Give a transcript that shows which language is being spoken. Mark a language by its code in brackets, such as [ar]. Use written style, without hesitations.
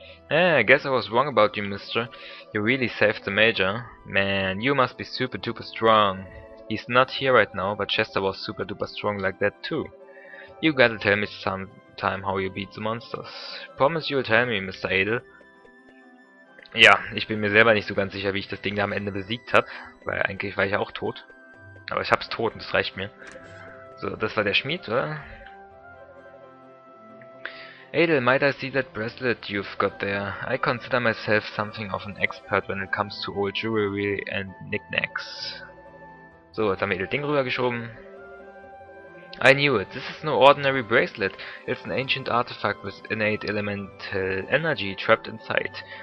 [en] Eh, I guess I was wrong about you, mister. You really saved the Major. Man, you must be super duper strong. He's not here right now, but Chester was super duper strong like that too. You gotta tell me sometime how you beat the monsters. Promise you'll tell me, Mr. Adel. [de] Ja, ich bin mir selber nicht so ganz sicher, wie ich das Ding da am Ende besiegt habe, weil eigentlich war ich ja auch tot. Aber ich hab's tot und das reicht mir. So, das war der Schmied, oder? [en] Adel, might I see that bracelet you've got there? I consider myself something of an expert when it comes to old jewelry and knickknacks. [de] So, jetzt haben wir Edel Ding rübergeschoben. [en] I knew it. This is no ordinary bracelet. It's an ancient artifact with innate elemental energy trapped inside.